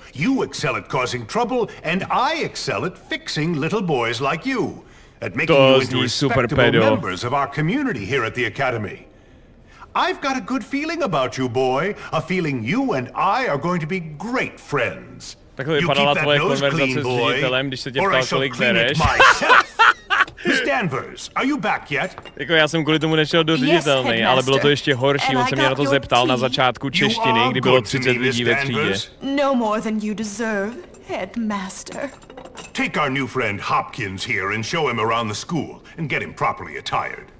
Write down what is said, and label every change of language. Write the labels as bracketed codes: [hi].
[en] You excel at causing trouble, and I excel at fixing little boys like you. At making you into respectable members of our community here at the Academy. I've got a good feeling about you, boy. A feeling you and I are going to be great friends. [cs] Takhle vypadala tvoje konverzace s ředitelem, když se tě ptal, kolik bereš. [en] Miss Danvers, are you back yet? [cs] Jako já jsem kvůli tomu nešel do ředitelny, ale bylo to ještě horší, on se mě na to zeptal na začátku češtiny, kdy bylo 30 lidí ve třídě. [en] No more than you deserve, headmaster. Take our new friend Hopkins here and show him around the school and get him properly attired.